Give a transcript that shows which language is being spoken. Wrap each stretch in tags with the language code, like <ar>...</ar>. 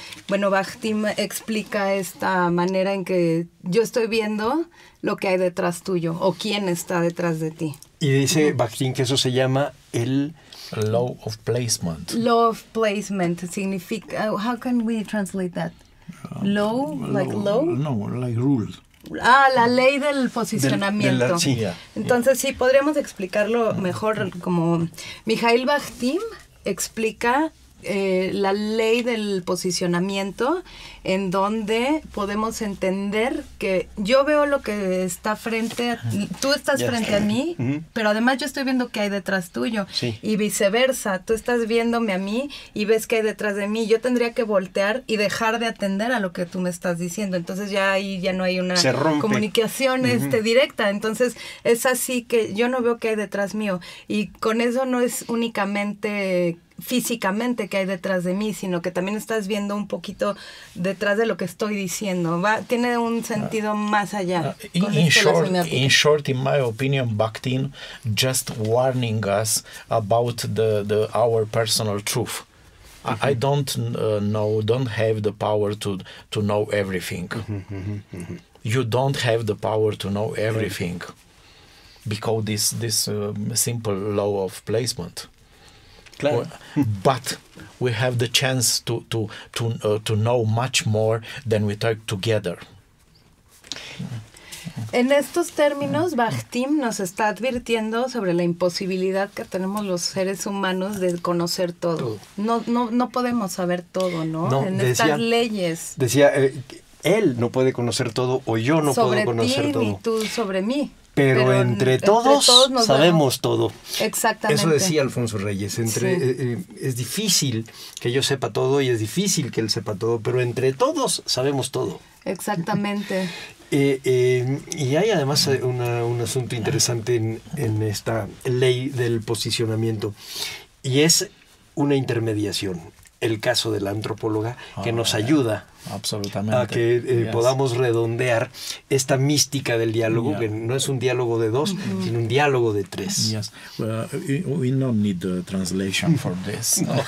<es>Bueno, Bakhtin explica esta manera en que yo estoy viendo lo que hay detrás tuyo o quién está detrás de ti. Y dice Bakhtin que eso se llama el</es> <en>law of placement. Law of placement significa, how can we translate that? Law, like law? No, like rule.</en> <es>Ah, la ley del posicionamiento. De la, sí, entonces, sí, podríamos explicarlo mejor como Mikhail Bakhtin explica la ley del posicionamiento, en donde podemos entender que yo veo lo que está frente a tú estás frente a mí, pero además yo estoy viendo qué hay detrás tuyo. Sí. Y viceversa, tú estás viéndome a mí y ves qué hay detrás de mí. Yo tendría que voltear y dejar de atender a lo que tú me estás diciendo. Entonces ya ahí ya no hay una comunicación directa. Entonces es así que yo no veo qué hay detrás mío. Y con eso no es únicamente físicamente que hay detrás de mí, sino que también estás viendo un poquito detrás de lo que estoy diciendo. Va, tiene un sentido más allá.</es> <en>In short, in my opinion, Bakhtin just warning us about the our personal truth. Mm-hmm. I don't have the power to know everything. You don't have the power to know everything. Mm-hmm. Because this simple law of placement.</en> <es>Claro.</es> <en>But we have the chance to know much more than we talk together.</en> <es>En estos términos, Bakhtin nos está advirtiendo sobre la imposibilidad que tenemos los seres humanos de conocer todo. No podemos saber todo, ¿no? No, en decía, estas leyes. Decía, él no puede conocer todo o yo no sobre puedo conocer ti, todo. Sobre ti y tú sobre mí. Pero entre todos sabemos todo. Exactamente. Eso decía Alfonso Reyes. Es difícil que yo sepa todo y es difícil que él sepa todo, pero entre todos sabemos todo. Exactamente. Y hay además un asunto interesante en esta ley del posicionamiento, y es una intermediación. El caso de la antropóloga que nos ayuda absolutamente a que podamos redondear esta mística del diálogo, que no es un diálogo de dos, sino un diálogo de tres.</es> <en>Yes, we don't need the translation for this.</en>